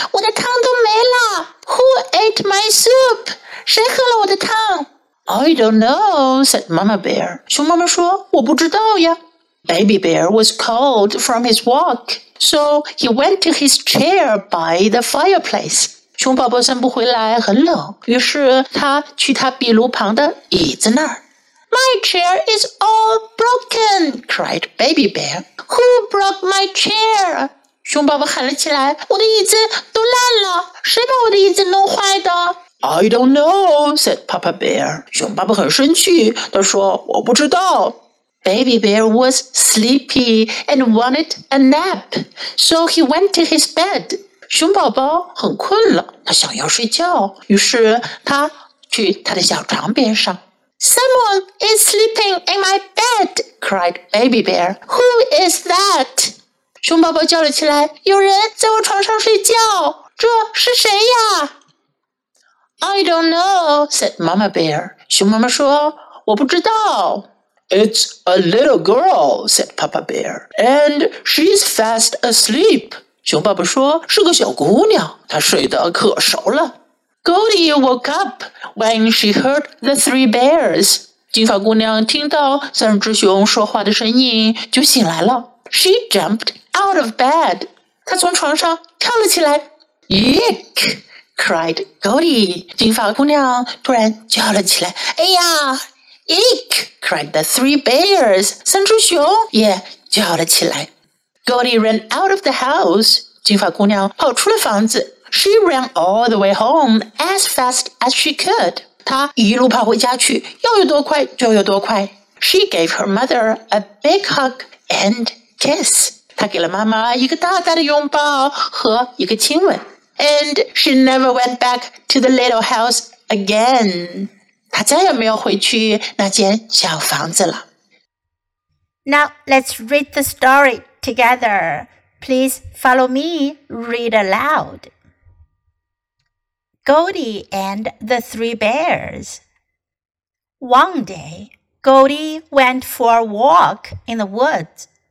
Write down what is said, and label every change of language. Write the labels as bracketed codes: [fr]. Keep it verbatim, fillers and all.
[zh] 我的汤都没了。 [en] Who ate my soup? [zh] 谁喝了我的汤？ [en] I don't know, said Mama Bear. [zh] 熊妈妈说，我不知道呀。 [en] Baby Bear was cold from his walk, so he went to his chair by the fireplace. [zh] 熊宝宝散步回来很冷，于是他去他壁炉旁的椅子那儿。 [en] My chair is all broken, cried Baby Bear. Who broke my chair? [zh] 熊宝宝喊了起来，我的椅子都烂了，谁把我的椅子弄坏的？ [en] I don't know, said Papa Bear. [zh] 熊爸爸很生气，他说我不知道。 [en] Baby Bear was sleepy and wanted a nap, so he went to his bed. [zh] 熊宝宝很困了，他想要睡觉，于是他去他的小床边上。 [en] Someone is sleeping in my bed, cried Baby Bear. Who is that? [zh] 熊宝宝叫了起来，有人在我床上睡觉，这是谁呀？ [en] I don't know, said Mama Bear. [zh] 熊妈妈说，我不知道。 [en] It's a little girl, said Papa Bear. And she's fast asleep. [zh] 熊爸爸说，是个小姑娘，她睡得可熟了。 [en] Goldie woke up when she heard the three bears. [zh] 金发姑娘听到三只熊说话的声音就醒来了。 [en] She jumped out of bed. [zh] 她从床上跳了起来。 [en] Yuck! cried Goldie. [zh] 金发姑娘突然叫了起来，哎呀 [en] Eek! cried the three bears. [zh] 三只熊也叫了起来。 [en] Goldie ran out of the house. [zh] 金发姑娘跑出了房子。 [en] She ran all the way home as fast as she could. [zh] 她一路跑回家去，要有多快就有多快。 [en] She gave her mother a big hug and kiss. [zh] 她给了妈妈一个大大的拥抱和一个亲吻。 [en] And she never went back to the little house again. [zh] 她再也没有回去那间小房子了。 [en] Now let's read the story together. Please follow me, read aloud. Goldie and the Three Bears. One day, Goldie went for a walk in the woods.